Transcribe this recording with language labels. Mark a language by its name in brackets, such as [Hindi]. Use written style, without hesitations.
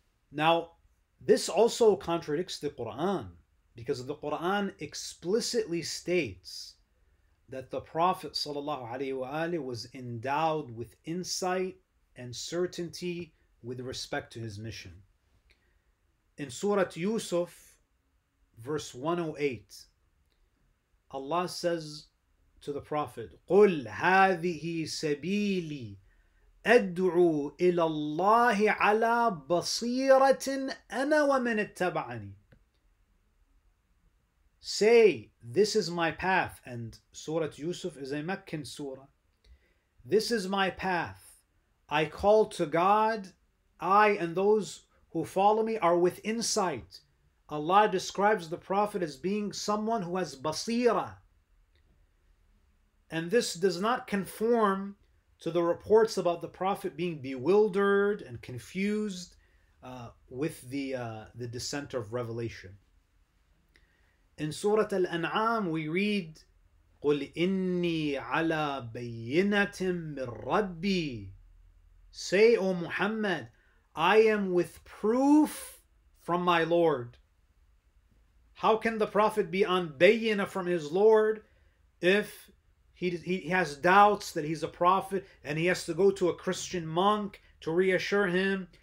[English] Now, this also contradicts the Qur'an, because the Qur'an explicitly states that the Prophet ﷺ was endowed with insight and certainty with respect to his mission. In Surah Yusuf, verse 108, Allah says to the Prophet, [Arabic] قُلْ هَذِهِ سَبِيلِي أَدْعُوا إِلَى اللَّهِ عَلَى بَصِيرَةٍ أَنَا وَمَنِ اتَّبَعَنِي. [English] Say, this is my path. And Surah Yusuf is a Meccan surah. This is my path. I call to God. I and those who follow me are with insight. Allah describes the Prophet as being someone who has basira. And this does not conform to the reports about the Prophet being bewildered and confused with the descent of revelation. In Surah Al-An'am, we read, [Arabic] قُلْ إِنِّي عَلَى بَيِّنَةٍ مِّن رَبِّي. [English] Say, O Muhammad, I am with proof from my Lord. How can the Prophet be on bayyinah from his Lord if he has doubts that he's a prophet, and he has to go to a Christian monk to reassure him,